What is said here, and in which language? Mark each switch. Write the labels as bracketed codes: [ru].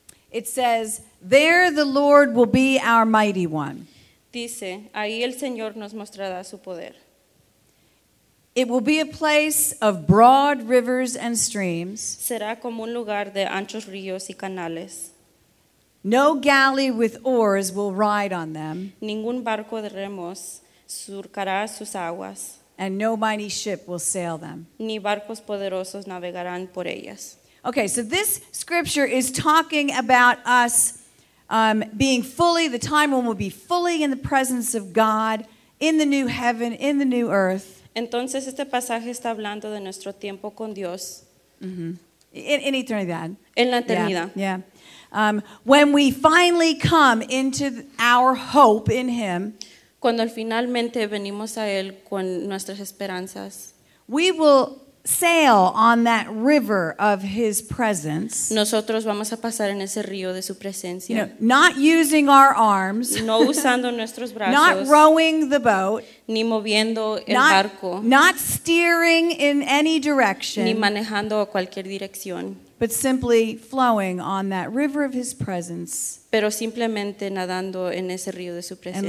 [en] It says, "There the Lord will be our mighty one." [es] Dice, ahí el Señor nos mostrará su poder. [en] It will be a place of broad rivers and streams. [es] Será como un lugar de anchos ríos y canales. [en] No galley with oars will ride on them. [es] Ningún barco de remos surcará sus aguas. [en] And no mighty ship will sail them. [es] Ni barcos poderosos navegarán por ellas. [en] Okay, so this scripture is talking about us being fully, the time when we'll be fully in the presence of God, in the new heaven, in the new earth. [es] Entonces este pasaje está hablando de nuestro tiempo con Dios. Mm-hmm. In eternidad. En la eternidad. [en] Yeah. Yeah. When we finally come into our hope in Him. [es] Cuando finalmente venimos a Él con nuestras esperanzas. [en] We will sail on that river of His presence. [es] Nosotros vamos a pasar en ese río de su presencia. [en] You know, not using our arms. [es] No usando nuestros brazos. [en] Not rowing the boat. [es] Ni moviendo el barco. [en] Not steering in any direction. [es] Ni manejando cualquier dirección. [en] But simply flowing on that river of His presence. [es] Pero simplemente nadando en ese río de su presencia.